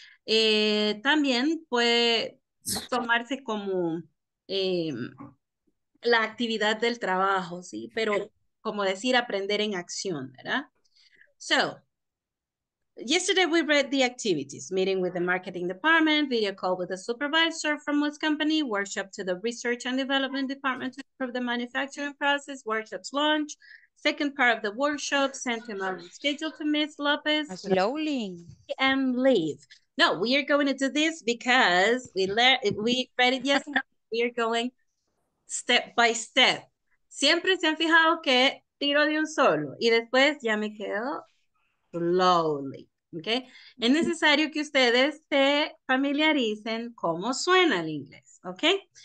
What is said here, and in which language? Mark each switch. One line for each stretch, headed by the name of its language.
Spanish: También puede tomarse como la actividad del trabajo, ¿sí? Pero como decir aprender en acción, ¿verdad?
English: So, yesterday we read the activities, meeting with the marketing department, video call with the supervisor from which company, workshop to the research and development department to improve the manufacturing process, workshop's launch, second part of the workshop, sent him on schedule to Miss Lopez. Slowly. And leave. No, we are going to do this because we read it yesterday. We are going step by step.
Spanish: Siempre se han fijado que tiro de un solo y después ya me quedo.
English: Slowly, okay?
Spanish: Es necesario que ustedes se familiaricen cómo suena el inglés,
English: okay?